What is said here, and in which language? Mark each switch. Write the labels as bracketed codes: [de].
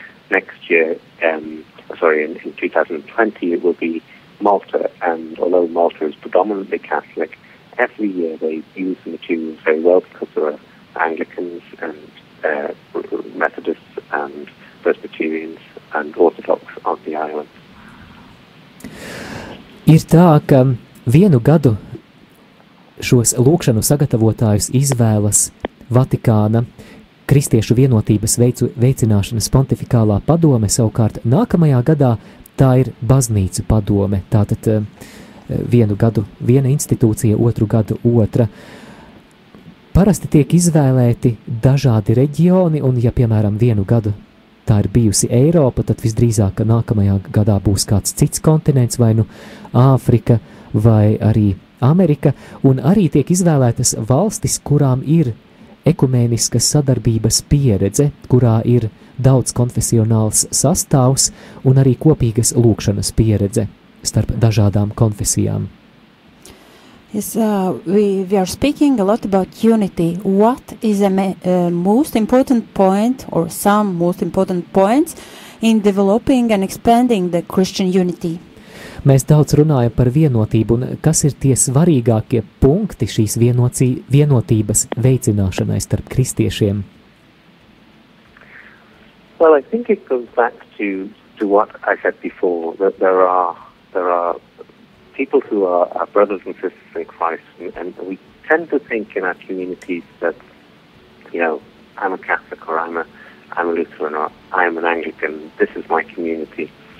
[en] Next year, in 2020, it will be Malta, and although Malta is predominantly Catholic, every year they use the materials very well because there are Anglicans and Methodists and Presbyterians and Orthodox on the island. [lv] Ir tā, ka vienu gadu šos lūkšanu sagatavotājus izvēlas Vatikāna kristiešu vienotības veicināšanas pontifikālā padome, savukārt nākamajā gadā tā ir baznīcu padome. Tātad vienu gadu viena institūcija, otru gadu otra. Parasti tiek izvēlēti dažādi reģioni, un ja, piemēram, vienu gadu tā ir bijusi Eiropa, tad visdrīzāk nākamajā gadā būs kāds cits kontinents, vai nu Āfrika, vai arī Amerika, un arī tiek izvēlētas valstis, kurām ir ekumēniska sadarbības pieredze, kurā ir daudz konfesionāls sastāvs un arī kopīgas lūkšanas pieredze starp dažādām konfesijām. [en] We are speaking a lot about unity. What is a most important point or some most important points in developing and expanding the Christian unity? [lv] Mēs daudz runājam par vienotību, un kas ir tie svarīgākie punkti šīs vienotības veicināšanai starp kristiešiem? [en] Well, I think it goes back to what I said before, that there are people who are brothers and sisters in Christ, and we tend to think in our communities that, you know, I'm a Catholic, or I'm a Lutheran, or I'm an Anglican, this is my community.